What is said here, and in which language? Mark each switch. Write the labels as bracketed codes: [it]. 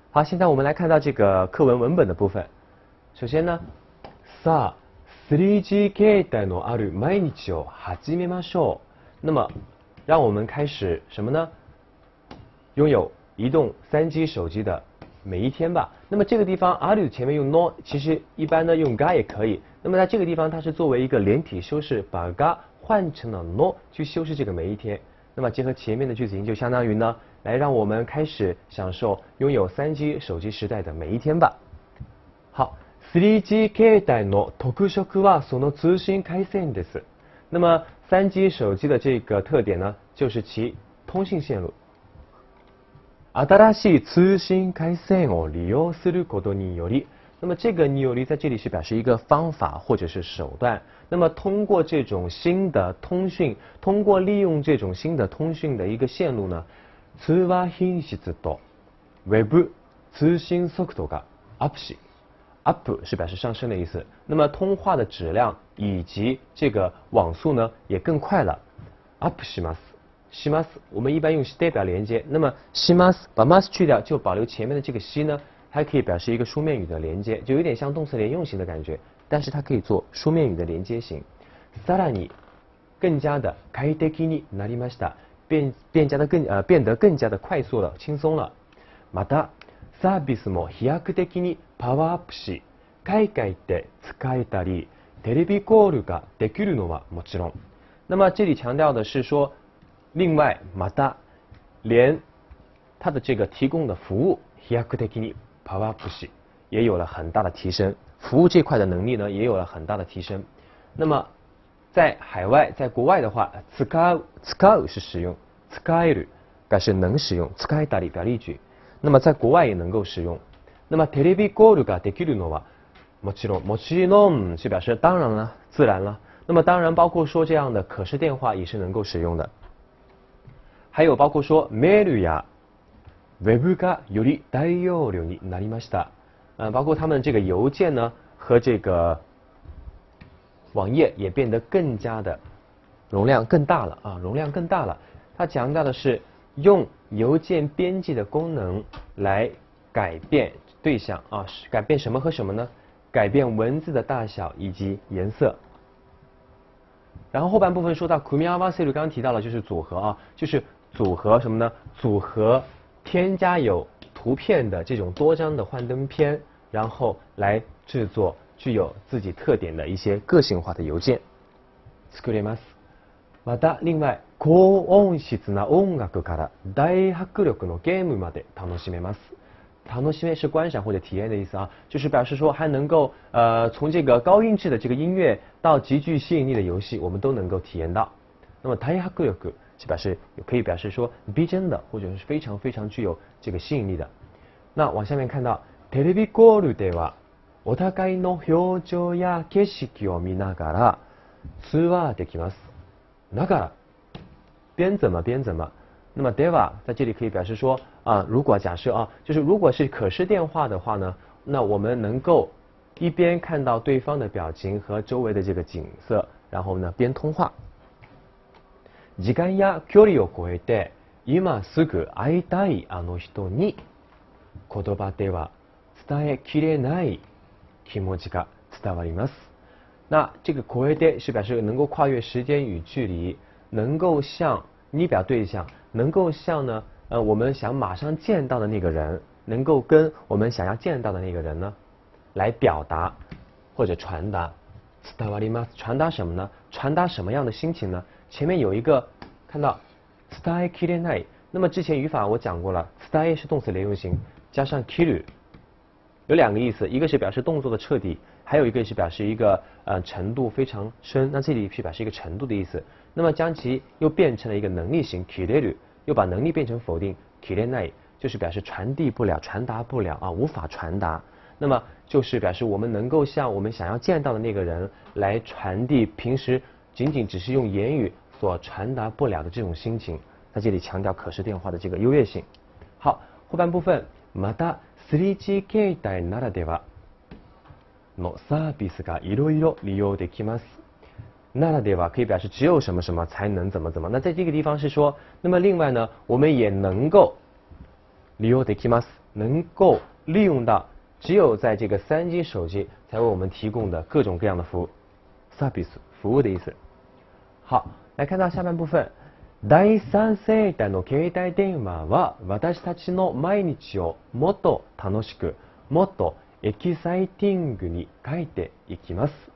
[zh] 好，现在我们来看到这个课文文本的部分。首先呢， [ja] さあ、3G 携帯のある毎日を始めましょう。 [zh] 那么，让我们开始什么呢？拥有移动3G 手机的每一天吧。那么这个地方ある前面用 no，其实一般呢用が也可以。那么在这个地方，它是作为一个连体修饰，把が换成了 no 去修饰这个每一天。那么结合前面的句子型，就相当于呢，来让我们开始享受拥有3G 手机时代的每一天吧。 [ja] 好，3G 携帯の特色はその通信回線です。 [zh] 那么3G 手机的这个特点呢，就是其通信线路。 [ja] 新しい通信回線を利用することにより。 [zh] 那么这个により在这里是表示一个方法或者是手段。那么通过这种新的通讯，通过利用这种新的通讯的一个线路呢， [ja] 通話品質とウェブ通信速度がアップし。 [zh] アップ是表示上升的意思。那么通话的质量以及这个网速呢也更快了。 [ja] アップします。 [zh] します，我们一般用して表连接。那么します，把ます去掉，就保留前面的这个し呢，还可以表示一个书面语的连接，就有点像动词连用型的感觉，但是它可以做书面语的连接型。 [ja] さらに [zh] 更加的 [ja] 快適になりました。 [zh] 变得更加的快速了，轻松了。 [ja] またサービスも飛躍的にパワーアップし、海外で使えたりテレビコールができるのはもちろん。 [zh] 那么这里强调的是说，另外また连它的这个提供的服务 [ja] 飛躍的にパワーアップし [zh] 也有了很大的提升，服务这块的能力呢也有了很大的提升。那么在海外，在国外的话，使う是使用，使える表示能使用，使えたり表例句。那么在国外也能够使用。那么 [ja] テレビコールができるのはもちろん [zh] 是表示当然了，自然了。那么当然包括说这样的可视电话也是能够使用的。还有包括说 [ja] メールやウェブがより大容量になりました。 [zh] 包括他们这个邮件呢和这个网页也变得更加的容量更大了啊，容量更大了。它强调的是用邮件编辑的功能来改变对象啊，改变什么和什么呢？改变文字的大小以及颜色。然后后半部分说到組み合わせる，刚刚提到了就是组合啊，就是组合什么呢？组合添加有图片的这种多张的幻灯片，然后来制作具有自己特点的一些个性化的邮件。 [ja] 作れます。また、 [zh] 另外、 [ja] 高音質な音楽から大迫力のゲームまで楽しめます。 [zh] 楽しめ是观赏或者体验的意思啊，就是表示说还能够从这个高音质的这个音乐到极具吸引力的游戏，我们都能够体验到。那么大迫力就表示可以表示说逼真的或者是非常非常具有这个吸引力的。那往下面看到 [ja] テレビコールでは。お互いの表情や景色を見ながら通話できます。だから [zh] 边怎么边怎么。那么 では 在这里可以表示说啊，如果假设啊，就是如果是可视电话的话呢，那我们能够一边看到对方的表情和周围的这个景色，然后呢边通话。 [ja] 時間や距離を超えて今すぐ会いたいあの人に言葉では伝えきれない気持ちが伝わります。 [zh] 那这个超えて是表示能够跨越时间与距离，能够向你表对象，能够向呢我们想马上见到的那个人，能够跟我们想要见到的那个人呢来表达或者传达。伝わります，传达什么呢？传达什么样的心情呢？前面有一个看到伝えきれない，那么之前语法我讲过了，伝え是动词连用型加上きる，有两个意思，一个是表示动作的彻底，还有一个是表示一个程度非常深。那这里是表示一个程度的意思，那么将其又变成了一个能力型切れる，又把能力变成否定切れない，就是表示传递不了，传达不了啊，无法传达。那么就是表示我们能够向我们想要见到的那个人来传递平时仅仅只是用言语所传达不了的这种心情。在这里强调可视电话的这个优越性。好，后半部分 [ja] また3G 携帯ならではのサービスがいろいろ利用できます。 [zh] ならでは可以表示只有什么什么才能怎么怎么，那在这个地方是说那么另外呢我们也能够利用できます。能够利用到只有在这个三 G 手机才为我们提供的各种各样的服务 service 服务的意思。好，来看到下半部分。 [ja] 第三世代の携帯電話は私たちの毎日をもっと楽しく、もっとエキサイティングに変えていきます。